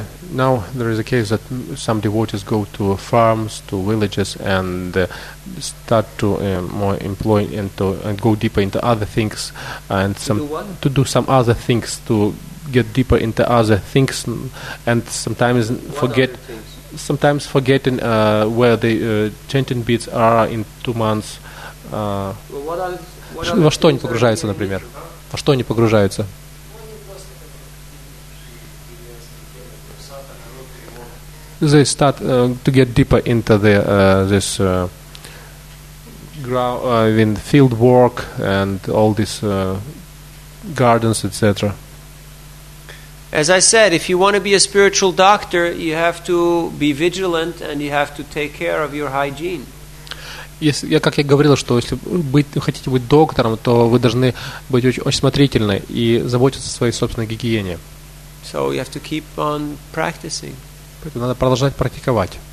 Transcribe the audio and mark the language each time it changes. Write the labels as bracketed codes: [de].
[en] Now there is a case that some devotees go to farms, to villages, and start to more employ and go deeper into other things, and to do some other things to get deeper into other things, and sometimes forgetting where the chanting beads are in 2 months. [ru] Во что они погружаются, например? Во что они погружаются? [en] They start to get deeper into this field work and all these gardens, etc. As I said, if you want to be a spiritual doctor, you have to be vigilant and you have to take care of your hygiene. [ru] Yes, я как я говорил, что если быть хотите быть доктором, то вы должны быть очень осмотрительны и заботиться о своей собственной гигиене. [en] So you have to keep on practicing. [ru] Это надо продолжать практиковать.